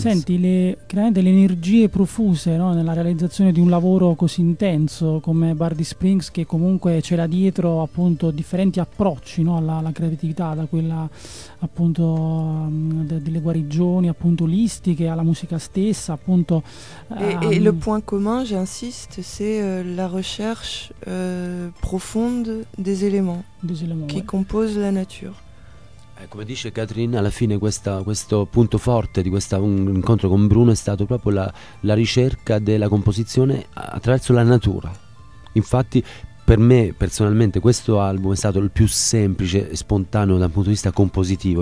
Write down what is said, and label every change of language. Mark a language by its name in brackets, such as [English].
[Italian] Senti, chiaramente le energie profuse, no, nella realizzazione di un lavoro così intenso come Bardic Springs, che comunque c'era dietro appunto differenti approcci, no, alla creatività, da quella appunto delle guarigioni appunto olistiche alla musica stessa appunto. [French] E le point commun, j'insiste, c'est la recherche profonde des éléments qui composent la nature. [Italian] Come dice Catherine, alla fine questo punto forte di questo incontro con Bruno è stato proprio la ricerca della composizione attraverso la natura. Infatti, per me personalmente, questo album è stato il più semplice e spontaneo dal punto di vista compositivo.